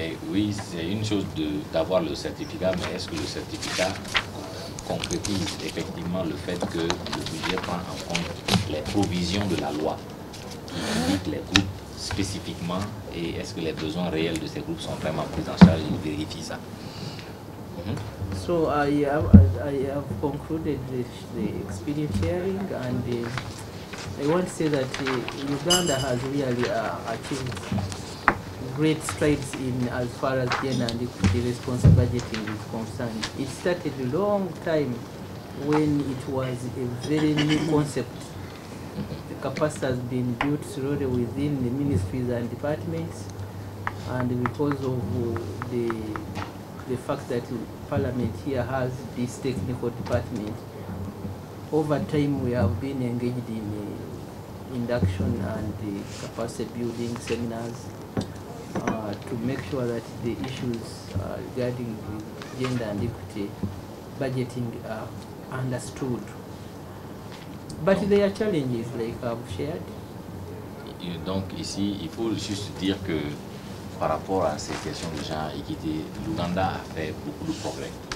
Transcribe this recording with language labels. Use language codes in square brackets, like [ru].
[fr] Oui, c'est une chose d'avoir le certificat, mais est-ce que le certificat concrétise effectivement le fait que le budget prend en compte les provisions de la loi qui indique les groupes spécifiquement et est-ce que les besoins réels de ces groupes sont vraiment pris en charge? Il vérifie ça. [en] So I have concluded the experience sharing and I want to say that Uganda has really achieved great strides in as far as gender and equity responsible budgeting is concerned. It started a long time when it was a very new concept. The capacity has been built slowly within the ministries and departments, and because of the fact that Parliament here has this technical department, over time we have been engaged in induction and capacity building seminars. To make sure that the issues regarding gender and equity budgeting are understood. But there are challenges, like I've shared. [fr] Donc ici, il faut juste dire que par rapport à ces questions de genre équité, l'Ouganda a fait beaucoup de progrès.